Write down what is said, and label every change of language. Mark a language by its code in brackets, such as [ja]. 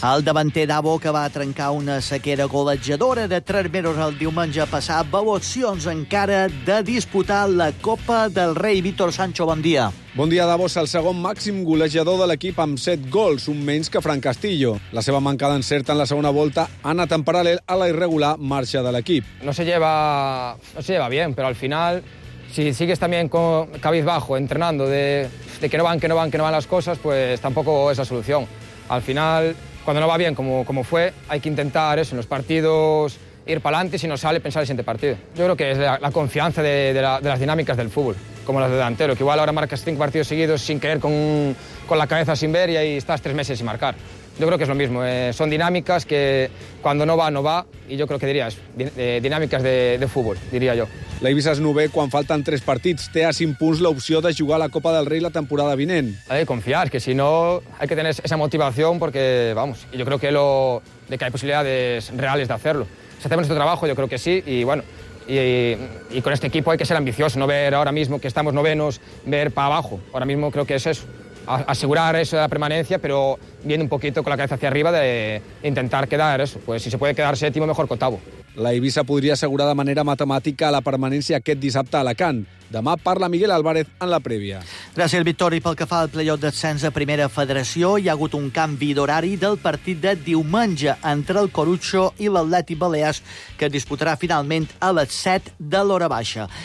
[ca] El davanter d'Avo, que va trencar una sequera golejadora de 3 mesos el diumenge passat, veu opcions encara de disputar la Copa del Rei. Víctor Sancho, bon dia. Bon dia, Davo. El segon màxim golejador de l'equip amb 7 gols, un menys que Fran Castillo. La seva manca d'encert en la segona volta ha anat en paral·lel a la irregular marxa de l'equip. [es] No se lleva bien, però al final, si sigues también con cabizbajo, entrenando de que no van las cosas, pues tampoco es la solución. Al final, cuando no va bien, como fue, hay que intentar eso en los partidos, ir para adelante, si no sale, pensar el siguiente partido. Yo creo que es la confianza de las dinámicas del fútbol, como las de delantero, que igual ahora marcas 5 partidos seguidos sin querer, con la cabeza sin ver, y ahí estás 3 meses sin marcar. Yo creo que es lo mismo, son dinámicas que cuando no va, no va, y yo creo que diría eso, dinámicas de fútbol, diría yo. [ca] L'Eivissa es novè quan falten 3 partits. Té a 5 punts l'opció de jugar a la Copa del Rei la temporada vinent. [es] Hay que confiar, que si no hay que tener esa motivación porque, vamos, yo creo que de que hay posibilidades reales de hacerlo. Si hacemos nuestro trabajo, yo creo que sí, y bueno, y con este equipo hay que ser ambicioso, no ver ahora mismo que estamos novenos, ver para abajo. Ahora mismo creo que es eso, asegurar eso de la permanencia, pero viendo un poquito con la cabeza hacia arriba de intentar quedar eso. Pues si se puede quedar séptimo, mejor que octavo. [ca] L'Eivissa podria assegurar de manera matemàtica la permanència aquest dissabte a Alacant. Demà parla Miguel Álvarez en la prèvia. Gràcies, Victori. Pel que fa al play-off d'ascens a Primera Federació, hi ha hagut un canvi d'horari del partit de diumenge entre el Corutxo i l'Atlètic Balears, que disputarà finalment a les 7 de l'hora baixa.